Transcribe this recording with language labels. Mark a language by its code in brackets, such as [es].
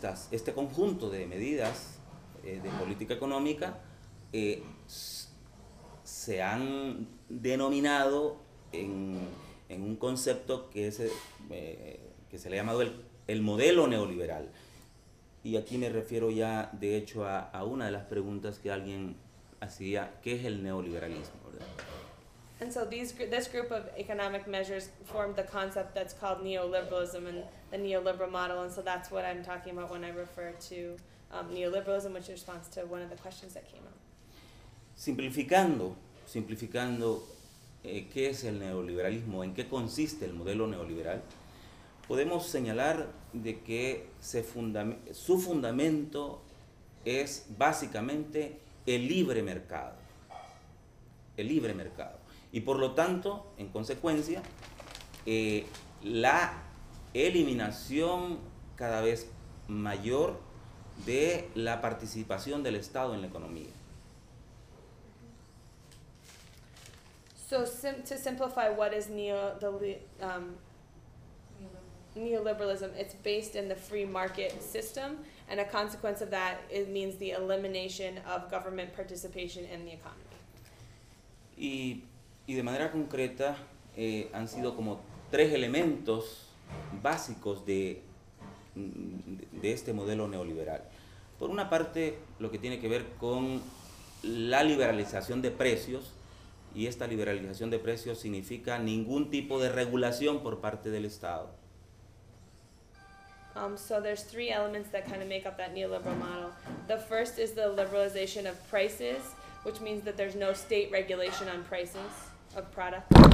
[es] Este conjunto de medidas de política económica se han denominado en un concepto que se le ha llamado el modelo neoliberal. Y aquí me refiero ya, de hecho, a una de las preguntas que alguien hacía, ¿qué es el neoliberalismo? [en] And so this group of economic measures formed the concept that's called neoliberalism and the neoliberal model, and so that's what I'm talking about when I refer to neoliberalism, which is in response to one of the questions that came up. [es] Simplificando, ¿qué es el neoliberalismo? ¿En qué consiste el modelo neoliberal? Podemos señalar de que su fundamento es básicamente el libre mercado. El libre mercado. Y por lo tanto, en consecuencia, la eliminación cada vez mayor de la participación del Estado en la economía. [en] So, to simplify, what is neoliberalism? It's based in the free market system, and a consequence of that, it means the elimination of government participation in the economy. [es] Y de manera concreta, han sido como tres elementos básicos de este modelo neoliberal. Por una parte, lo que tiene que ver con la liberalización de precios, y esta liberalización de precios significa ningún tipo de regulación por parte del Estado. [en] So there's three elements that kind of make up that neoliberal model. The first is the liberalization of prices, which means that there's no state regulation on prices of products.